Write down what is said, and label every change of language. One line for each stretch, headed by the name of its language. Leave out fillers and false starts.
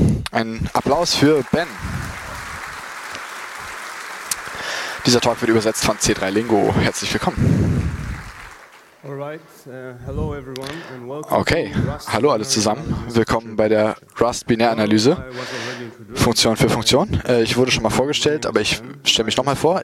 German: Ein Applaus für Ben. Dieser Talk wird übersetzt von C3 Lingo. Herzlich willkommen.
English: Alright, hello everyone and welcome.
German: Okay, hallo alle zusammen. Willkommen bei der Rust-Binär-Analyse. Funktion für Funktion. Ich wurde schon mal vorgestellt, aber ich stelle mich nochmal vor.